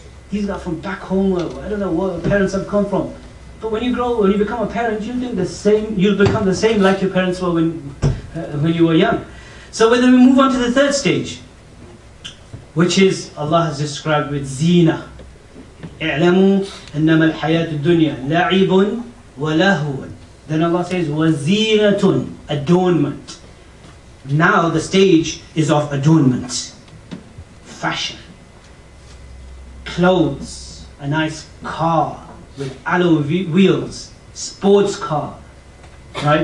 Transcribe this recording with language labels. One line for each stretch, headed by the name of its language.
English: These are from back home, or I don't know where parents have come from. But when you grow, when you become a parent, you'll do the same, you'll become the same like your parents were when you were young. So then we move on to the third stage, which is Allah has described with zina.
Arabic: اعلموا انما الحياة الدنيا لعب ولهو.
English: Then Allah says وزينة adornment. Now the stage is of adornment, fashion, clothes, a nice car with alloy wheels, sports car, right?